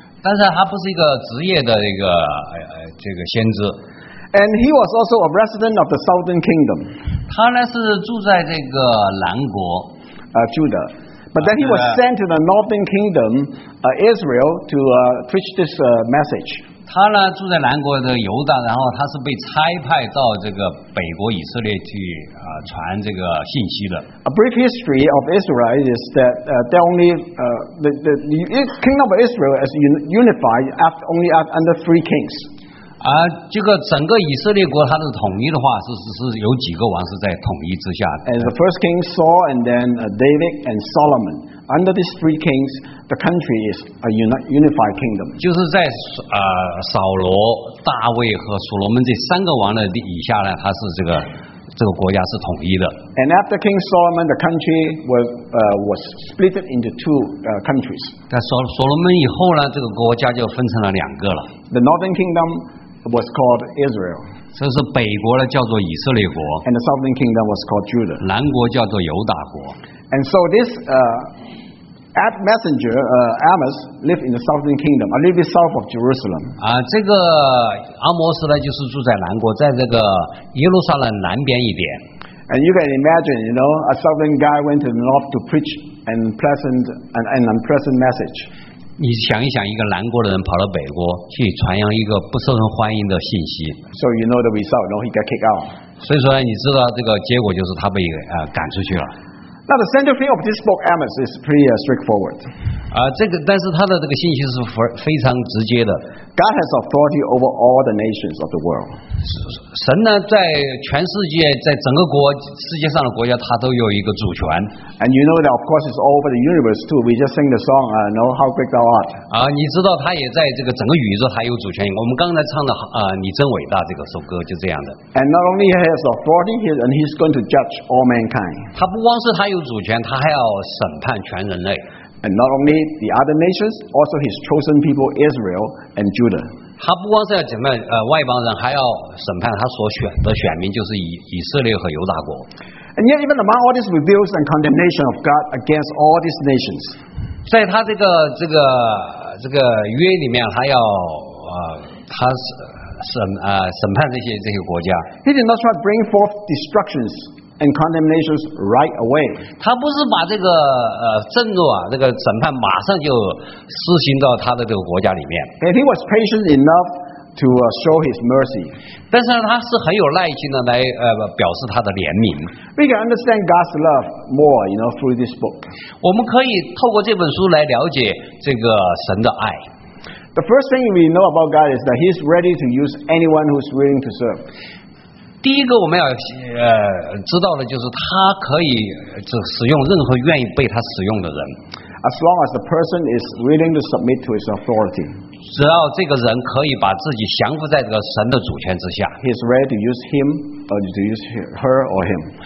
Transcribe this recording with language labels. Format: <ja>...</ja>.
<zh>但是他不是一个职业的一个这个先知。</zh> <en>And he was also a resident of the southern kingdom.</en> <zh>他呢是住在这个南国。</zh> <en>Judah. But then he was sent to the northern kingdom, Israel, to preach this message.</en> <zh>他呢住在南国的犹大，然后他是被差派到这个北国以色列去传这个信息的。</zh> <en>A brief history of Israel is that they only the kingdom of Israel is unified after only under three kings.</en> <zh>这个整个以色列国它的统一的话，是有几个王是在统一之下的。</zh> <en>And the first king Saul, and then David and Solomon. Under these three kings, the country is a unified kingdom.</en> <zh>就是在扫罗、大卫和所罗门这三个王的以下呢，它是这个国家是统一的。</zh> <en>And after King Solomon, the country was split into two countries.</en> <zh>在所罗门以后呢，这个国家就分成了两个了。</zh> <en>The northern kingdom. Was called Israel.</en> <zh>这是北国的叫做以色列国。</zh> <en>And the southern kingdom was called Judah.</en> <zh>南国叫做犹大国。</zh> <en>And so this messenger Amos lived in the southern kingdom, a little bit south of Jerusalem.</en> <zh>这个阿摩斯呢，就是住在南国，在这个耶路撒冷南边一点。</zh> <en>And you can imagine, you know, a southern guy went to the north to preach an unpleasant message.</en> <zh>你想一想，一个南国的人跑到北国去传扬一个不受人欢迎的信息。</zh> <en>So you know the result, no, he got kicked out.</en> <zh>所以说你知道这个结果就是他被赶出去了。</zh> <en>Now the central theme of this book, Amos, is pretty straightforward.</en> <zh>这个但是他的这个信息是非常直接的。</zh> <en>God has authority over all the nations of the world.</en> <zh>神呢，在全世界，在整个世界上的国家，他都有一个主权。</zh> <en>And you know that, of course, it's all over the universe too. We just sing the song, I know how great thou art.</en> <zh>你知道他也在这个整个宇宙，他有主权。我们刚才唱的你真伟大这个首歌就这样的。</zh> <en>And not only he has authority, and he's going to judge all mankind.</en> <zh>他不光是他有主权，他还要审判全人类。</zh> <en>And not only the other nations, also his chosen people Israel and Judah.</en> <zh>他不光是要审判外邦人，还要审判他所选的选民，就是以色列和犹大国。</zh> <en>And yet, even among all these rebukes and condemnation of God against all these nations,</en> <zh>在他这个约里面，他要他审判这些国家。</zh> <en>He did not try to bring forth destructions. And condemnations right away.</en> <zh>他不是把这个震怒啊，这个审判马上就施行到他的这个国家里面。</zh> <en>And he was patient enough to show his mercy.</en> <zh>但是他是很有耐心的来表示他的怜悯。</zh> <en>We can understand God's love more, you know, through this book.</en> <zh>我们可以透过这本书来了解这个神的爱。</zh> <en>The first thing we know about God is that He's ready to use anyone who's willing to serve.</en> <zh>第一个我们要知道的就是他可以使用任何愿意被他使用的人。</zh> <en>As long as the person is willing to submit to his authority,</en> <zh>只要这个人可以把自己降服在这个神的主权之下，</zh> <en>he is ready to use him or to use her or him.</en>